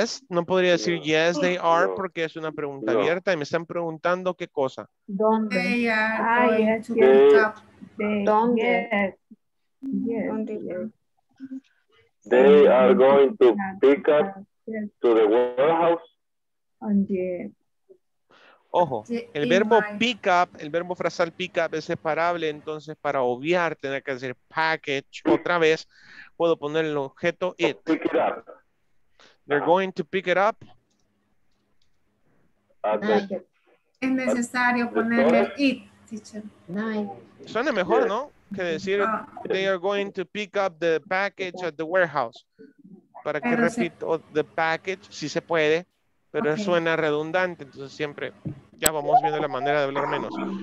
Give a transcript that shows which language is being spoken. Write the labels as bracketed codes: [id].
[es] Yes, no podría decir [en] yes, they are, [es] porque es una pregunta abierta y me están preguntando qué cosa. ¿Dónde? [en] They are. Ah, yes, yes. [es] ¿Dónde? [en] Yes. They are going to pick up to the warehouse. [es] Ojo, el verbo pick up, el verbo frasal pick up es separable, entonces para obviar tener que decir package otra vez, puedo poner el objeto it. [en] Pick it up. They're going to pick it up. [es] Es necesario ponerle it, teacher. Nine. Suena mejor, ¿no? Que decir [en] they are going to pick up the package at the warehouse. [es] Para que repito, [en] the package, [es] si se puede, pero okay. Suena redundante, entonces siempre ya vamos viendo la manera de hablar menos.